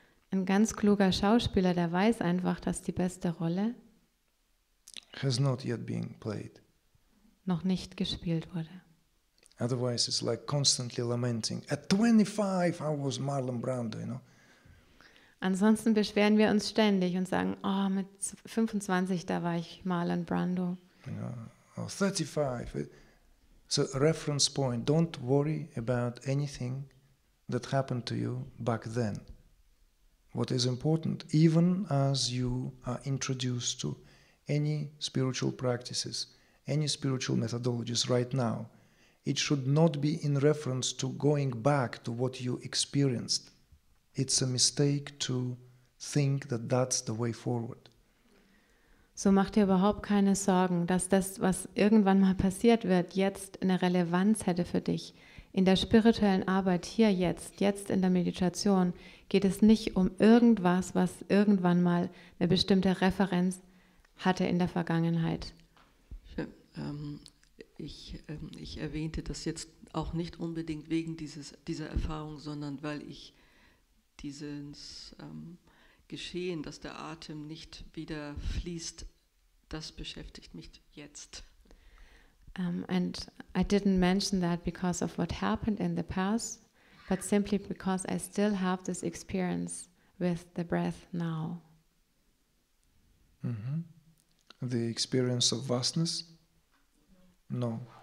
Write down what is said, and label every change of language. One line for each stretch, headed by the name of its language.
German: Ein ganz kluger Schauspieler, der weiß einfach, dass die beste Rolle
English: has not yet been played.
German: Noch nicht gespielt wurde.
English: Otherwise it's like constantly lamenting. At 25 I was Marlon Brando, you know.
German: Ansonsten beschweren wir uns ständig und sagen, oh, mit 25, da war ich Marlon Brando.
English: Yeah. Oh, 35. So, reference point, don't worry about anything that happened to you back then. What is important, even as you are introduced to any spiritual practices, any spiritual methodologies right now, it should not be in reference to going back to what you experienced. It's a mistake to think that that's the way forward.
German: So mach dir überhaupt keine Sorgen, dass das, was irgendwann mal passiert wird, jetzt eine Relevanz hätte für dich. In der spirituellen Arbeit hier jetzt, jetzt in der Meditation, geht es nicht um irgendwas, was irgendwann mal eine bestimmte Referenz hatte in der Vergangenheit. Ich erwähnte das jetzt auch nicht unbedingt wegen dieser Erfahrung, sondern weil ich dieses Geschehen, dass der Atem nicht wieder fließt, das beschäftigt mich jetzt.
English: And I didn't mention that because of what happened in the past, but simply because I still have this experience with the breath now. Mm-hmm. The experience of vastness? No.